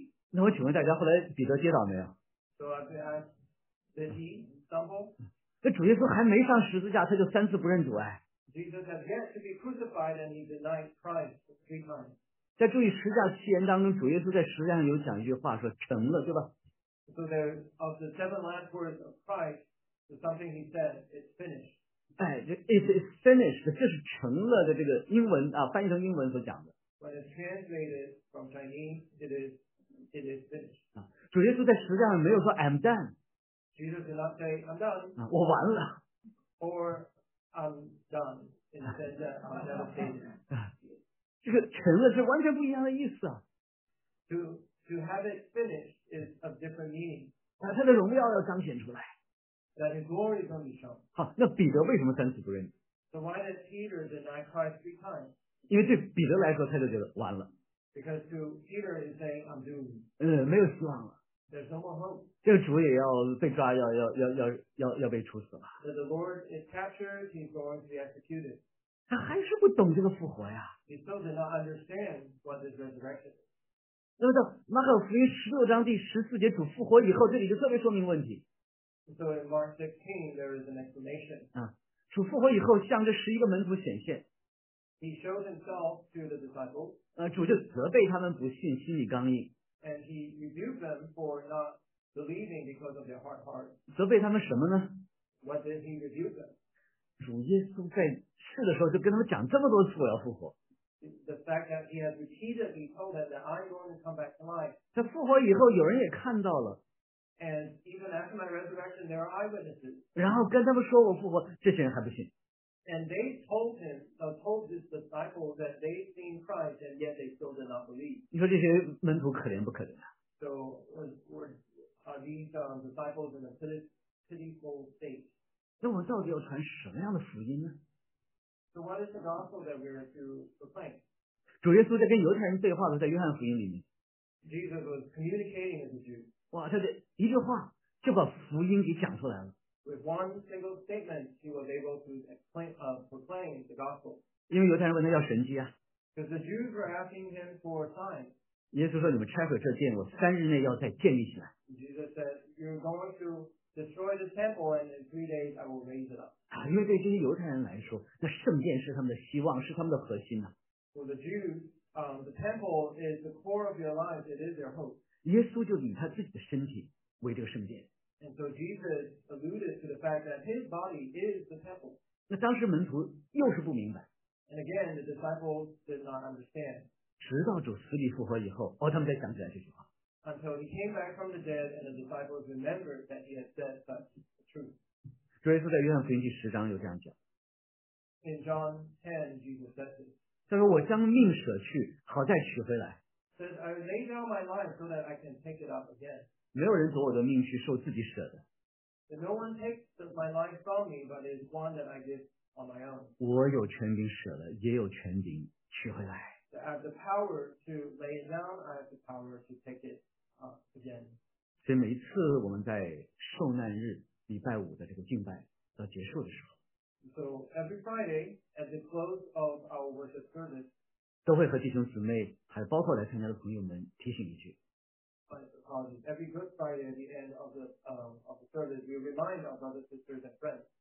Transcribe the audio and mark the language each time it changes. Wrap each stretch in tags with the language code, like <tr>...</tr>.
<zh>那我请问大家后来彼得跌倒没有？</zh> <en>So I've been asked, did he stumble?</en> <zh>这主耶稣还没上十字架他就三次不认主哎。</zh> <en>Jesus has yet to be crucified and he denied Christ three times.</en> <zh>在注意十字架七言当中主耶稣在十字架上有讲一句话说成了对吧？</zh> <en>So there of the seven last words of Christ is something he said, it's finished. It's finished,</en> <zh>这是成了的这个英文啊，翻译成英文所讲的。</zh> <en>When it's translated from Chinese, it is finished.</en> <zh>主耶稣在十字架上没有说</zh> <en>I'm done. Jesus did not say I'm done.</en> <zh>我完了。</zh> <en>Or I'm done. Instead of I'm done.</en> <zh>这个成了是完全不一样的意思啊。</zh> <en>To have it finished is of different meaning.</en> <zh>把他的荣耀要彰显出来。</zh> <en>That his glory is going to be shown.</en> <zh>好，那彼得为什么三次不认？</zh> <en>So why did Peter deny Christ three times?</en> <zh>因为对彼得来说，他就觉得完了。</zh> <en>Because to Peter is saying, I'm doomed.</en> <zh>没有希望了。</zh> <en>There's no more hope.</en> <zh>这个主也要被抓，要被处死了。</zh> <en>So the Lord is captured, he's going to be executed.</en> <zh>他还是不懂这个复活呀。</zh> <en>He still did not understand what this resurrection is.</en> <zh>那么到马可福音十六章第十四节主复活以后，这里就特别说明问题。</zh> <en>So in Mark 16, there is an explanation.</en> <zh>主复活以后向这十一个门徒显现。</zh> <en>He showed himself to the disciples.</en> <zh>主就责备他们不信，心里刚硬。</zh> <en>And he rebuked them for not believing because of their hard heart.</en> <zh>责备他们什么呢？</zh> <en>What did he rebuke them?</en> <zh>主耶稣在世的时候就跟他们讲这么多次我要复活。</zh> <en>The fact that he has repeatedly told them that I'm going to come back to life.</en> <zh>他复活以后有人也看到了。</zh> <en>And even after my resurrection, there are eyewitnesses.</en> <zh>然后跟他们说我复活，这些人还不信。</zh> <en>And they told him, told his disciples that they seen Christ, and yet they still did not believe.</en> <zh>你说这些门徒可怜不可怜啊？</zh> <en>So are these disciples in a pitiful state?</en> <zh>那我到底要传什么样的福音呢？</zh> <en>So what is the gospel that we are to proclaim?</en> <zh>主耶稣在跟犹太人对话的，在约翰福音里面。</zh> <en>Jesus was communicating with the Jews.</en> <zh>哇，他的一句话就把福音给讲出来了。</zh> <en>With one single statement, he was able to proclaim the gospel.</en> <zh>因为犹太人问他要神迹啊。</zh> <en>Because the Jews were asking him for signs.</en> <zh>耶稣说：“你们拆毁这殿，我三日内要再建立起来。”</zh> <en>Jesus said, "You're going to destroy the temple, and in 3 days I will raise it up.</en> <zh>啊，因为对这些犹太人来说，那圣殿是他们的希望，是他们的核心呐。</zh> <en>For the Jews, the temple is the core of their lives. It is their hope.</en> <zh>耶稣就以他自己的身体为这个圣殿。</zh> <en>And so Jesus alluded to the fact that his body is the temple.</en> <zh>那当时门徒又是不明白。</zh> <en>And again, the disciples did not understand.</en> <zh>直到主死里复活以后，哦，他们才想起来这句话。</zh> <en>Until he came back from the dead, and the disciples remembered that he had said such the truth.</en> <zh>主耶稣在约翰福音第十章有这样讲。</zh> <en>In John 10, Jesus said this.</en> <zh>他说：“我将命舍去，好再取回来。”</zh> <en>Says I lay down my life so that I can take it up again.</en> <zh>没有人夺我的命去受自己舍的。</zh> <en>But no one takes my life from me, but is one that I give.</en> <zh>我有权柄舍了，也有权柄取回来。</zh> <en>I have the power to lay it down. I have the power to take it again.</en> <zh>所以每一次我们在受难日礼拜五的这个敬拜到结束的时候</zh> <en>，So every Friday at the close of our worship service,</en> <zh>都会和弟兄姊妹，还包括来参加的朋友们提醒一句。</zh> <en>But every Good Friday at the end of the service, we remind our brothers, sisters, and friends.</en>